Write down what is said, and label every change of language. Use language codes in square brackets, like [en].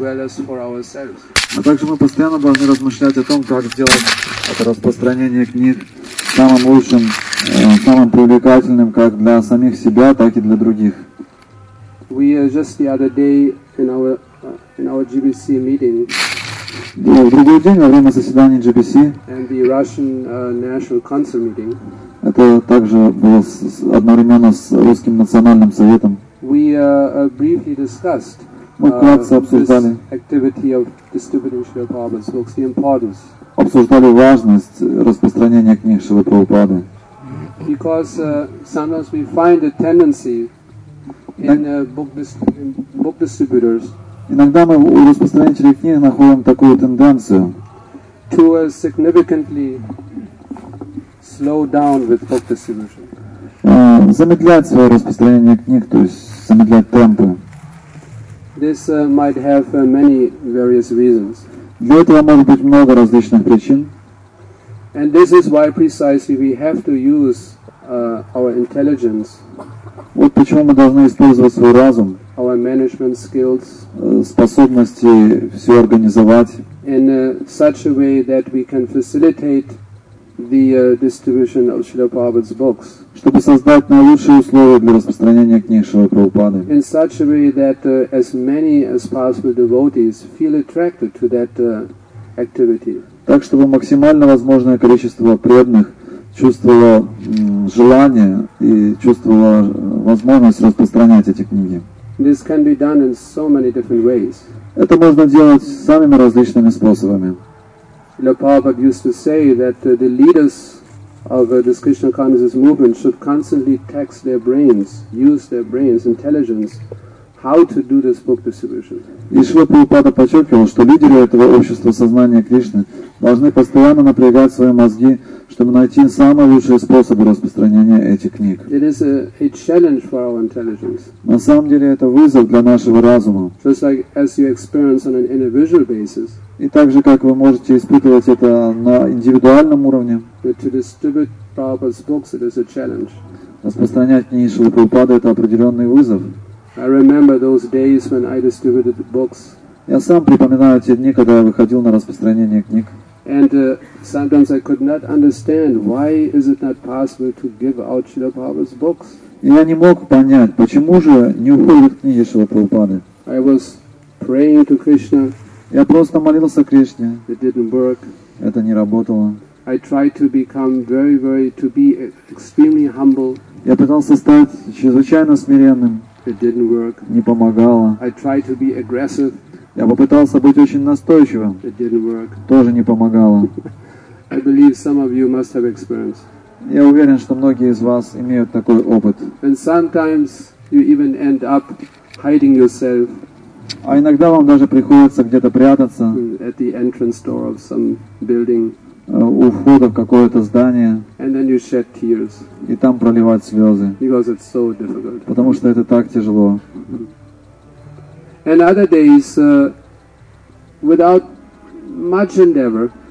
[ru] А также мы постоянно должны размышлять о том, как сделать это распространение книг самым лучшим, самым привлекательным как для самих себя, так и для других. [en] We just the other day in our GBC meeting. [ru] В другой день, во время заседания GBC, [en] and the Russian, National Council meeting, [ru] это также было одновременно с Русским национальным советом, [en] we, briefly discussed, [ru] мы вкратце обсуждали, [en] this activity of distributing Srila Prabhupada's books, the importance. [ru] Обсуждали важность распространения книг Шрилы Прабхупады. [en] Because sometimes we find a tendency in book distributors. [ru] Иногда мы у распространителей книг находим такую тенденцию. [en] To significantly slow down with book distribution. [ru] Замедлять свое распространение книг, то есть замедлять темпы. [en] This might have many various reasons. [ru] Для этого может быть много различных причин. [en] And this is why precisely we have to use our intelligence. [ru] Вот почему мы должны использовать свой разум. [en] Our management skills. [ru] Способности все организовать. [en] In such a way that we can facilitate the distribution of Srila Prabhupada's books. [ru] Чтобы создать наилучшие условия для распространения книг Шрилы Прабхупады. [en] In such a way that as many as possible devotees feel attracted to that activity. [ru] Так, чтобы максимально возможное количество преданных чувствовало желание и чувствовало возможность распространять эти книги. [en] This can be done in so many different ways. [ru] Это можно делать самыми различными способами. [en] Srila Prabhupada used to say that the leaders of this Krishna consciousness movement should constantly tax their brains, use their brains, intelligence, how to do this book distribution. [ru] И Шрила Прабхупада подчеркивал, что лидеры этого общества сознания Кришны должны постоянно напрягать свои мозги, чтобы найти самые лучшие способы распространения этих книг. [en] It is a challenge for our intelligence. [ru] На самом деле это вызов для нашего разума. [en] Just like as you experience on an individual basis. [ru] И так же, как вы можете испытывать это на индивидуальном уровне. [en] But to distribute Prabhupada's books, it is a challenge. [ru] Распространять книги Шрилы Прабхупады — это определенный вызов. [en] I remember those days when I distributed the books. [ru] Я сам припоминаю те дни, когда я выходил на распространение книг. [en] And sometimes I could not understand why is it not possible to give out Srila Prabhupada's books. [ru] Я не мог понять, почему же не уходят книги Шрилы Прабхупады. [en] I was praying to Krishna. [ru] Я просто молился Кришне. [en] It didn't work. [ru] Это не работало. [en] I tried to become to be extremely humble. [ru] Я пытался стать чрезвычайно смиренным. [en] It didn't work. [ru] Не помогало. [en] I tried to be aggressive. [ru] Я попытался быть очень настойчивым. [en] It didn't work. [ru] Тоже не помогало. [en] I believe some of you must have experience. [ru] Я уверен, что многие из вас имеют такой опыт. [en] And sometimes you even end up hiding yourself. [ru] А иногда вам даже приходится где-то прятаться. [en] At the entrance door of some building. [ru] У входа в какое-то здание. [en] And then you shed tears. [ru] И там проливать слезы. [en] Because it's so difficult. [ru] Потому что это так тяжело. [en] And other days, without much endeavor,